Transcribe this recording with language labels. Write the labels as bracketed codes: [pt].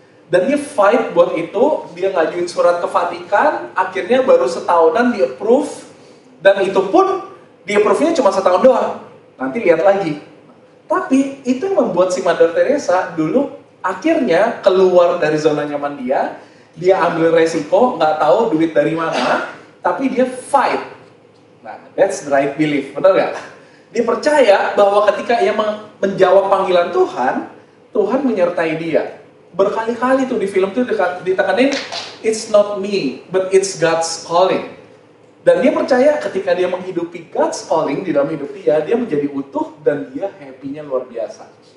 [id] Dan dia fight buat itu, dia ngajuin surat ke Vatikan, akhirnya baru setahunan di approve, dan itu pun di approve-nya cuma setahun doang, nanti lihat lagi. Tapi itu yang membuat si Mother Teresa dulu akhirnya keluar dari zona nyaman dia. Dia ambil resiko, gak tahu duit dari mana, tapi dia fight. [en] Nah, that's the right belief, [id] benar gak? Dia percaya bahwa ketika ia menjawab panggilan Tuhan, Tuhan menyertai dia. Berkali-kali tuh di film tuh ditekanin, [en] it's not me, but it's God's calling. [id] Dan dia percaya ketika dia menghidupi God's calling di dalam hidup dia, dia menjadi utuh dan dia happy-nya luar biasa.